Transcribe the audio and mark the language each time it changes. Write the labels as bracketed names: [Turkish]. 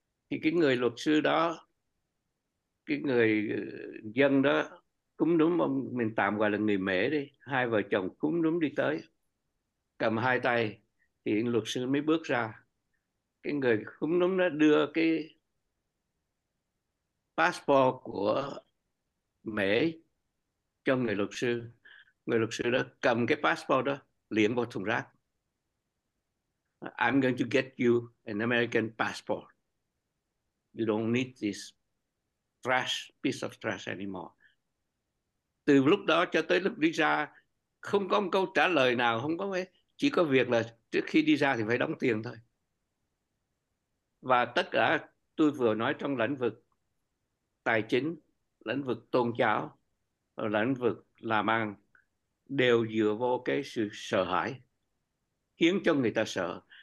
[Vietnamese] Thì cái người luật sư đó, cái người dân đó cúng núm ông, mình tạm gọi là người mễ đi, hai vợ chồng cúng núm đi tới cầm hai tay, thì luật sư mới bước ra. Cái người cúng núm đó đưa cái passport của mễ cho người luật sư. Người luật sư đó cầm cái passport đó liệng vào thùng rác. [English] I'm going to get you an American passport. You don't need this trash, piece of trash anymore. [Vietnamese] Từ lúc đó cho tới lúc đi ra, không có một câu trả lời nào, không có, chỉ có việc là Trước khi đi ra thì phải đóng tiền thôi. Và tất cả tôi vừa nói trong lĩnh vực tài chính, lĩnh vực tôn giáo, lĩnh vực làm ăn đều dựa vô cái sự sợ hãi, khiến cho người ta sợ.